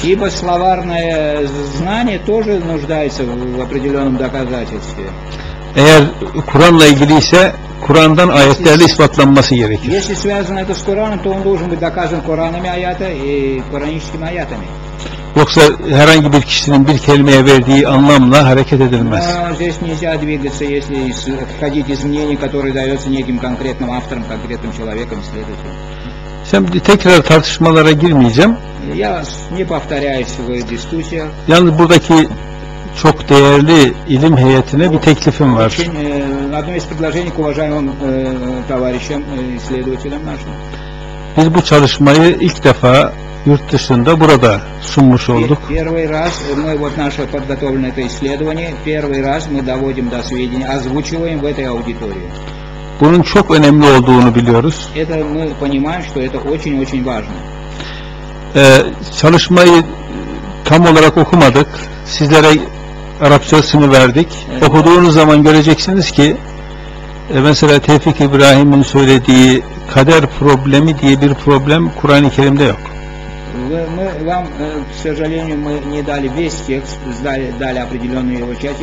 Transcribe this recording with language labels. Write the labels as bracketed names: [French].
[Russian] İbo словарное знание тоже нуждается в определенном доказательстве. [Turkish] Eğer Kur'an'la ilgili ise Kur'an'dan ayetlerle ispatlanması gerekir. [Russian] Если связано это с Кораном, то он должен быть доказан Коранами аята и Кораническими аятами. [Turkish] Yoksa herhangi bir kişinin bir kelimeye verdiği anlamla hareket edilmez. [Russian] Здесь нельзя двигаться, если исходить из мнений, которые дается неким конкретным автором, конкретным человеком, следователем. [Turkish] Şimdi tekrar tartışmalara girmeyeceğim. [Russian] Я не повторяюсь в дискуссиях. [Turkish] Yalnız buradaki çok değerli ilim heyetine bir teklifim var. [Russian] Одно из предложений к уважаемым товарищам, исследователям нашим. [Turkish] Biz bu çalışmayı ilk defa yurt dışında burada sunmuş olduk. [Russian] Первый раз мы вот наше подготовленное это исследование, первый раз мы доводим до сведения, озвучиваем в этой аудитории. [Turkish] Bunun çok önemli olduğunu biliyoruz. [Russian] Это мы понимаем, что это очень-очень важно. [Turkish] Çalışmayı tam olarak okumadık. Sizlere Arapçasını verdik. Okuduğunuz zaman göreceksiniz ki mesela Tevfik İbrahim'in söylediği kader problemi diye bir problem Kur'an-ı Kerim'de yok. [Russian] Мы вам, к сожалению, мы не дали весь текст, дали определенные его части.